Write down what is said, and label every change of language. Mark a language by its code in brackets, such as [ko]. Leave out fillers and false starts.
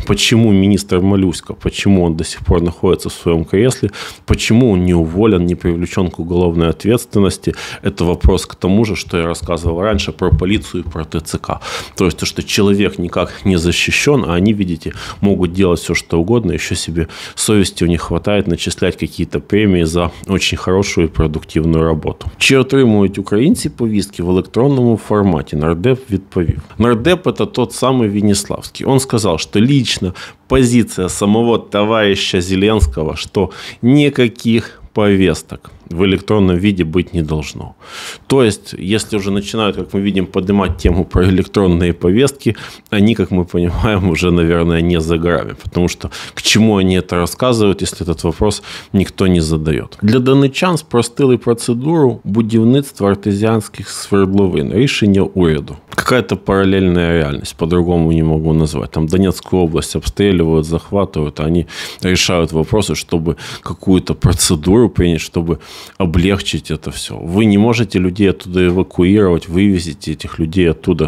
[ru] Почему министр Малюська, почему он до сих пор находится в своем кресле, почему он не уволен, не привлечен к уголовной ответственности, это вопрос к тому же, что я рассказывал раньше про полицию и про ТЦК. То есть, то, что человек никак не защищен, а они, видите, могут делать все, что угодно, еще себе совести у них хватает начислять какие-то премии за очень хорошую и продуктивную работу. [uk] Чи отримують українці повістки в електронному форматі? Нардеп відповів. Нардеп – [ru] это тот самый [uk] Веніславський. [ru] Он сказал, что лично позиция самого товарища Зеленского, что никаких повесток в электронном виде быть не должно. То есть, если уже начинают, как мы видим, поднимать тему про электронные повестки, они, как мы понимаем, уже, наверное, не за горами. Потому что к чему они это рассказывают, если этот вопрос никто не задает. [uk] Для донечан спростили процедуру будівництва артезіанських свердловин. Рішення уряду. [ru] Какая-то параллельная реальность, по-другому не могу назвать. Там Донецкую область обстреливают, захватывают, а они решают вопросы, чтобы какую-то процедуру принять, чтобы облегчить это все. Вы не можете людей оттуда эвакуировать, вывезите этих людей оттуда.